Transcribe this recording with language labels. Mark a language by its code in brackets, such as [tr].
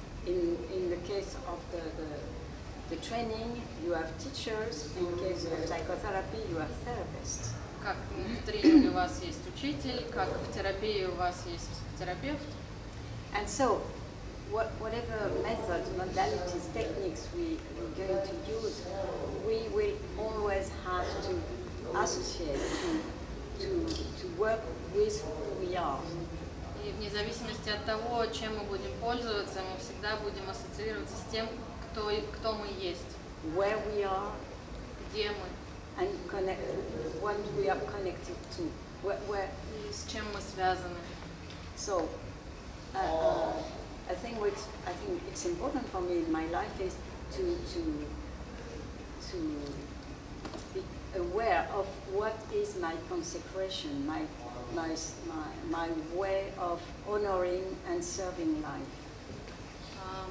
[en] In the case of the training, you have teachers. In case of psychotherapy, you have therapists. [ru] Как в тренинге у вас есть учитель, как в терапии у вас есть психотерапевт. [en] And so, whatever methods, modalities, techniques we're going to use, we will always have to associate to work with who we are. [ru] И вне зависимости от того, чем мы будем пользоваться, мы всегда будем ассоциироваться с тем, кто мы есть. [en] Where we are. [ru] Где мы. [en] And connect what we are connected to, where [ru] с чем мы связаны. [en] So, I think it's important for me in my life is to be aware of what is my consecration, my way of honoring and serving life.